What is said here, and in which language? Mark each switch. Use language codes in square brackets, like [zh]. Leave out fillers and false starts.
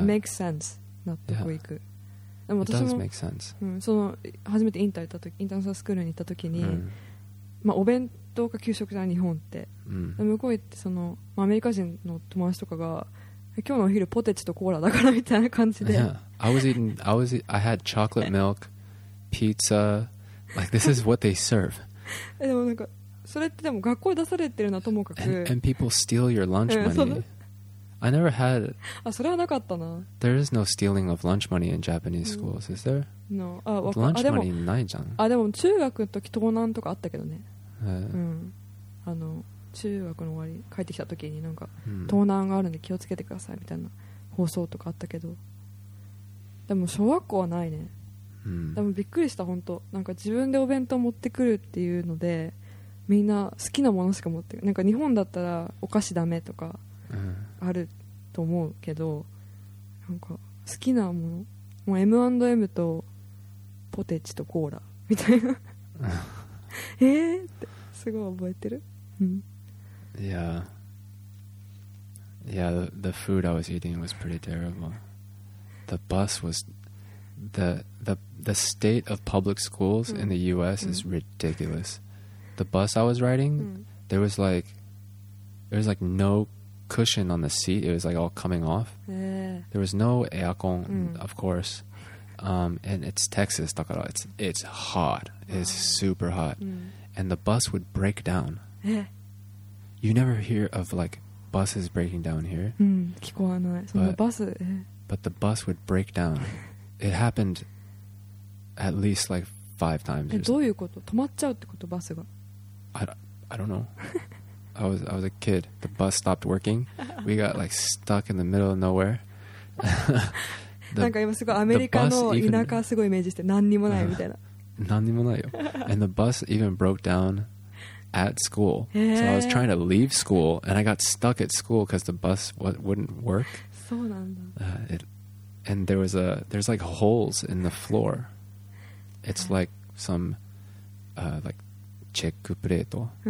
[en] It makes sense. [ja] 納得いく。でも私も、 [en] It does make sense. [ja] その初めてインターン行った時、インターンスクールに行った時に、まあ、お弁当か給食じゃない日本って、うん、向こう行ってその、まあ、アメリカ人の友達とかが今日のお昼ポテチとコーラだからみたいな感じで、 [en] yeah. I had chocolate milk pizza like this is what they serve [ja] でもなんかそれってでも学校出されてるなともかく [en] and people steal your lunch money I never had it [ja] あそれはなかったな [en] there is no stealing of lunch money in Japanese schools、is there? No. Lunch money [ja] ないじゃん。あ、でも中学の時盗難とかあったけどね。あの中学の終わり帰ってきた時になんか盗難があるんで気をつけてくださいみたいな放送とかあったけど、でも小学校はないね。でもびっくりした本当。なんか自分でお弁当持ってくるっていうのでみんな好きなものしか持ってくる。なんか日本だったらお菓子ダメとかあると思うけど、なんか好きなもの。もう M&M とポテチとコーラみたいな。ってすごい覚えてる。 [en] Yeah, the food I was eating was pretty terrible. The bus was the state of public schools in the U.S. is ridiculous. The bus I was riding, there was like no. Cushion on the seat, it was like all coming off. There was no aircon, of course. And it's Texas, [ja] だから [en] it's hot. It's super hot. And the bus would break down. You never hear of like buses breaking down here. [ja] 聞こえない。そのバス。 [en] But the bus would break down. It happened at least like 5 times. [ja] どういうこと？止まっちゃうってこと？バスが。 [en] I don't know. I was a kid. The bus stopped working. We got like stuck in the middle of nowhere. [ja] なんか今すごいアメリカの田舎すごいイメージして何にもないみたいな。何にもないよ。 [en] And the bus even broke down at school. So I was trying to leave school and I got stuck at school because the bus wouldn't work. [ja] そうなんだ。 [en] And there's like holes in the floor. It's like some like チェックプレート。